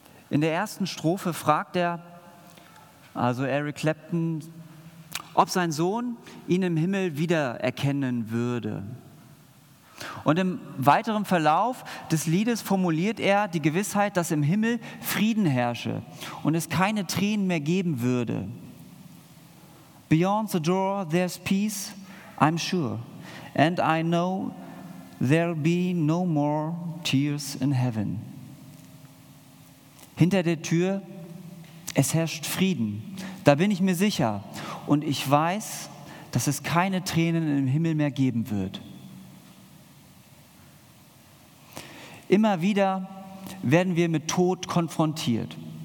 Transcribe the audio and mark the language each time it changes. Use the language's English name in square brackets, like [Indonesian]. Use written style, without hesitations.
[German] In der ersten Strophe fragt er, also Eric Clapton, ob sein Sohn ihn im Himmel wiedererkennen würde. Und im weiteren Verlauf des Liedes formuliert er die Gewissheit, dass im Himmel Frieden herrsche und es keine Tränen mehr geben würde. [English] Beyond the door there's peace, I'm sure, and I know there'll be no more tears in heaven. [German] Hinter der Tür, es herrscht Frieden, da bin ich mir sicher und ich weiß, dass es keine Tränen im Himmel mehr geben wird. Immer wieder werden wir mit Tod konfrontiert.